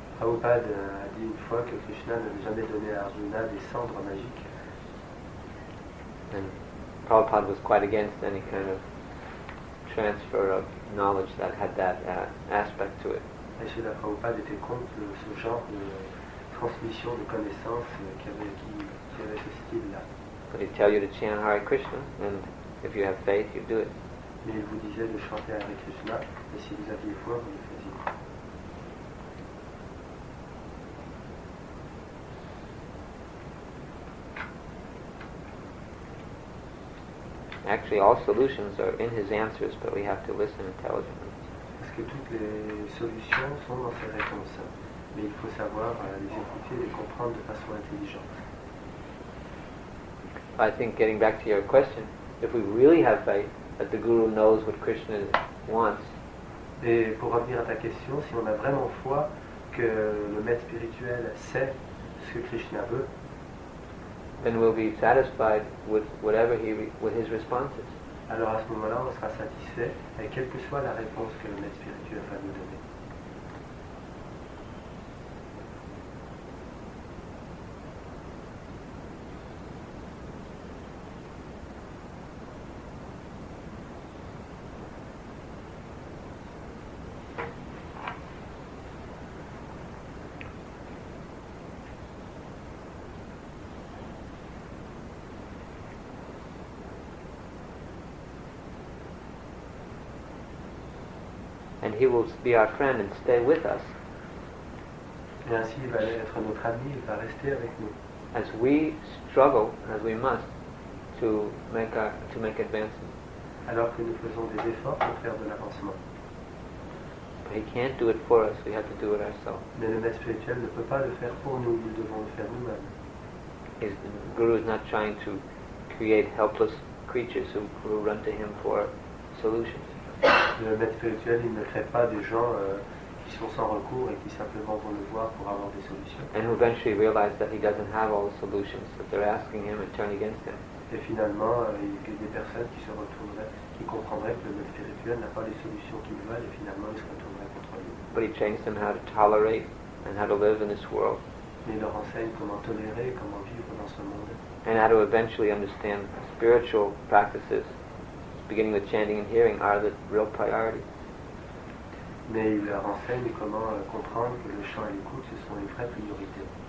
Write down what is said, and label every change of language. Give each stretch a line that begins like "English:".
French: Prabhupada a dit une fois que Krishna n'avait jamais donné à Arjuna des cendres magiques.
English: Prabhupada was quite against any kind of transfer of knowledge that had that aspect to it.
French: Srila Prabhupada était contre ce genre de transmission de connaissances qui avait ce style-là.
English: But he tell you to chant Hare Krishna, and if you have faith, you do it.
French: Mais il vous disait de chanter Hare Krishna, et si vous aviez foi, vous le faisiez.
English: Actually, all solutions are in his answers, but we have to listen intelligently.
French: Parce que toutes les solutions sont dans ses réponses, mais il faut savoir les écouter et les comprendre de façon intelligente.
English: I think, getting back to your question, if we really have faith that the Guru knows what Krishna wants.
French: Et pour revenir à ta question, si on a vraiment foi que le maître spirituel sait ce que Krishna veut.
English: Then we'll be satisfied with whatever he with his responses.
French: Alors à ce moment-là, on sera satisfait avec quelle que soit la réponse que le maître spirituel va nous donner.
English: And he will be our friend and stay with us.
French: Et ainsi, il va être notre ami, il va rester avec nous.
English: As we struggle, as we must, to make advancement.
French: Alors que nous faisons des efforts pour faire de l'avancement.
English: But he can't do it for us, we have to do it ourselves.
French: Mais le maître spirituel ne peut pas le faire pour nous, nous devons le faire nous-mêmes.
English: The Guru is not trying to create helpless creatures who will run to him for solutions.
French: Le maître spirituel, il ne crée pas des gens qui sont sans recours et qui simplement vont le voir pour avoir des solutions.
English: And who eventually realize that he doesn't have all the solutions that they're asking him and turn against him.
French: Et finalement, il y a des personnes qui se retourneraient, qui comprendraient que le maître spirituel n'a pas les solutions qu'ils veulent et finalement ils se retourneraient contre lui.
English: But he trains them how to tolerate and how to live in this world. Mais il leur enseigne comment tolérer et comment vivre dans ce monde. And how to eventually understand spiritual practices. Beginning with chanting and hearing are the real priority.
French: Mais il leur enseigne comment comprendre que le chant et l'écoute ce sont les vraies priorités.